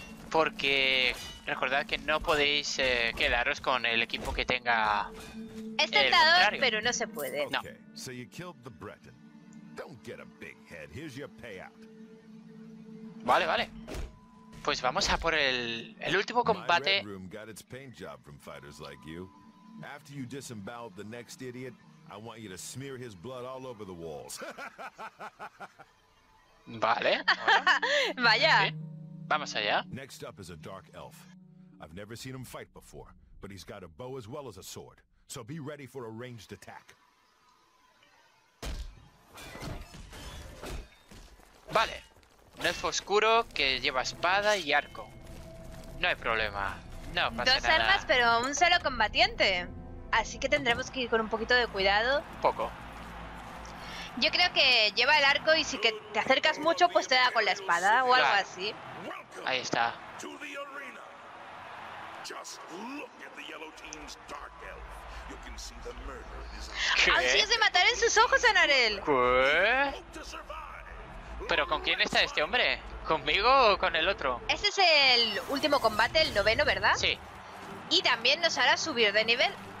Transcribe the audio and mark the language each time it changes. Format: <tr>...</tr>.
<es>Porque recordad que no podéis quedaros con el equipo que tenga. Es tentador, pero no se puede.</es> <en>No. Okay, so you killed the Breton. Don't get a big head. Here's your payout.</en> <es>Vale, vale. Pues vamos a por el último combate.</es> <en>My red room got its paint job from fighters like you. After you disemboweled the next idiot, I want you to smear his blood all over the walls.</en> <es>Vale. Bueno. Vaya. ¿Sí? Vamos allá.</es> <en>Next up is a dark elf. I've never seen him fight before, but he's got a bow as well as a sword. So be ready for a ranged attack.</en> <es>Vale. Un elfo oscuro que lleva espada y arco. No hay problema. No pasa nada. Dos armas, pero un solo combatiente. Así que tendremos que ir con un poquito de cuidado. Poco. Yo creo que lleva el arco y si que te acercas mucho, pues te da con la espada o claro. Algo así. Ahí está.</es> <en>To the arena. Just look at the yellow team's dark elf. You can see the murder in his eyes.</en> <es>Ansias de matar en sus ojos, Anarel. ¿Qué? ¿Pero con quién está este hombre? ¿Conmigo o con el otro? Este es el último combate, el noveno, ¿verdad? Sí. Y también nos hará subir de nivel.</es>